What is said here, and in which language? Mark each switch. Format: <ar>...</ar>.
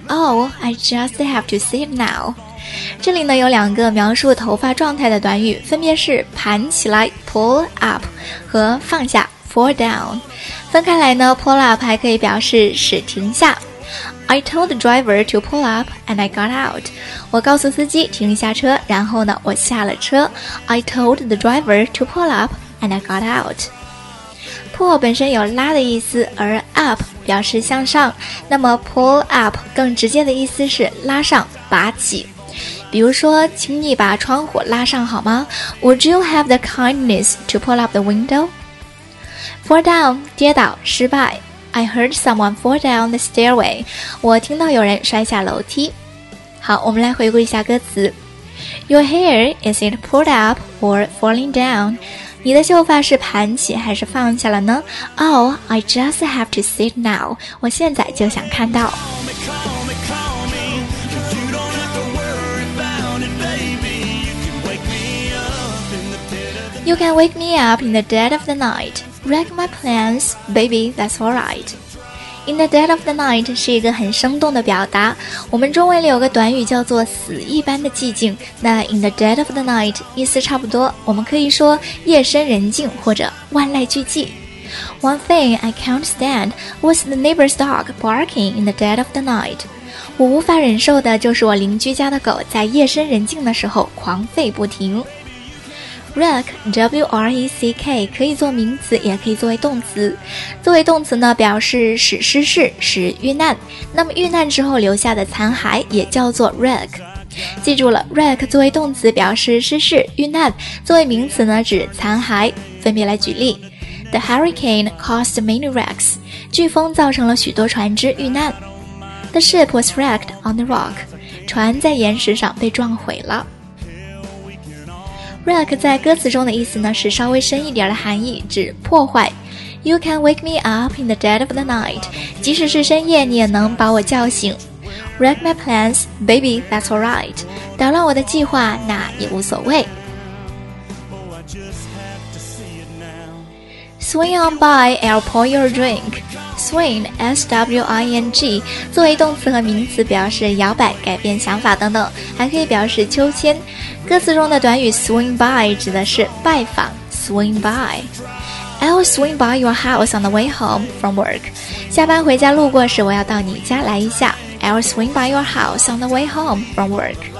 <en>Oh, I just have to see it now.</en> <zh>这里呢有两个描述头发状态的短语，分别是盘起来 pull up 和放下 fall down。分开来呢 pull up 还可以表示使停下。</zh> <en>I told the driver to pull up and I got out.</en> <zh>我告诉司机停下车，然后呢我下了车。</zh> <en>I told the driver to pull up and I got out.</en> <zh>Pull 本身有拉的意思，而 up 表示向上，那么 pull up 更直接的意思是拉上、拔起。比如说，请你把窗户拉上好吗？</zh> <en>Would you have the kindness to pull up the window? Fall down,</en> <zh>跌倒、失败。</zh> <en>I heard someone fall down the stairway.</en> <zh>我听到有人摔下楼梯。好，我们来回顾一下歌词。</zh> <en>Your hair, is it pulled up or falling down?</en> <zh>你的秀发是盘起还是放下了呢？</zh> <en>Oh, I just have to see it now.</en> <zh>我现在就想看到。</zh> <en>You can wake me up in the dead of the night. Wreck my plans, baby, that's alright. In the dead of the night</en> <zh>是一个很生动的表达。我们中文里有个短语叫做死一般的寂静，那 in the dead of the night 意思差不多，我们可以说夜深人静或者万籁俱寂。</zh> <en>One thing I can't stand was the neighbor's dog barking in the dead of the night.</en> <zh>我无法忍受的就是我邻居家的狗在夜深人静的时候狂吠不停。 Wreck, W-R-E-C-K, 可以做名词也可以作为动词。作为动词呢，表示使失事、使遇难。那么遇难之后留下的残骸也叫做 wreck。记住了 ,wreck 作为动词表示失事、遇难。作为名词呢，指残骸。分别来举例。</zh> <en>The hurricane caused many wrecks.</en> <zh>飓风造成了许多船只遇难。</zh> <en>The ship was wrecked on the rock.</en> <zh>船在岩石上被撞毁了。 Wreck 在歌词中的意思呢是稍微深一点的含义，指破坏。</zh> <en>You can wake me up in the dead of the night.</en> <zh>即使是深夜，你也能把我叫醒。</zh> <en>Wreck my plans, baby, that's alright.</en> <zh>打乱我的计划，那也无所谓。</zh> <en>Swing on by, I'll pour your drink.</en> <zh>Swing, S-W-I-N-G, 作为动词和名词表示摇摆、改变想法等等，还可以表示秋千。歌词中的短语 swing by 指的是拜访 swing by.</zh> <en>I'll swing by your house on the way home from work.</en> <zh>下班回家路过时，我要到你家来一下。</zh> <en>I'll swing by your house on the way home from work.</en>